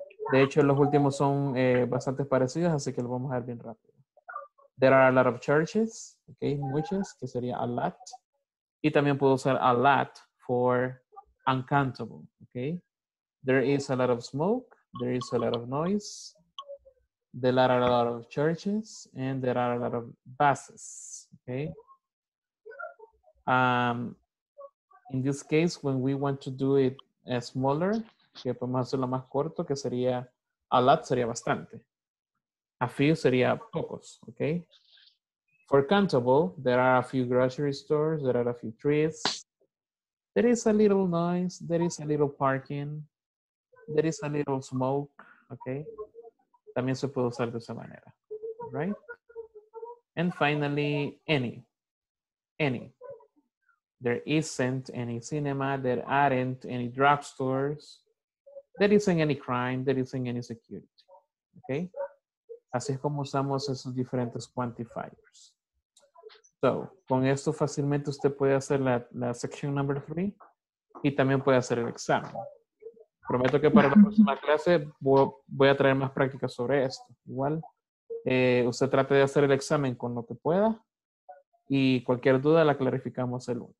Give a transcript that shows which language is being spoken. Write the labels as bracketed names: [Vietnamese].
[Spanish] De hecho, los últimos son bastante parecidos, así que lo vamos a ver bien rápido. [English] There are a lot of churches, okay, [Spanish] muchas, que sería [English] a lot. [Spanish] Y también puedo usar a lot [English] for uncountable, [Spanish] okay? [English] There is a lot of smoke, there is a lot of noise, there are a lot of churches, and there are a lot of buses, okay? In this case, when we want to do it smaller, [Spanish] que podemos hacerlo más corto, que sería, a lot sería bastante. A few sería pocos, okay? [English] For countable, there are a few grocery stores, there are a few trees, there is a little noise, there is a little parking, there is a little smoke, okay? [Spanish] También se puede usar de esa manera, right? [English] And finally, any. There isn't any cinema, there aren't any drugstores, there isn't any crime, there isn't any security, okay? [Spanish] Así es como usamos esos diferentes quantifiers. So, con esto fácilmente usted puede hacer la section number 3 y también puede hacer el examen. Prometo que para la próxima clase voy a traer más prácticas sobre esto. Igual, usted trate de hacer el examen con lo que pueda y cualquier duda la clarificamos el lunes.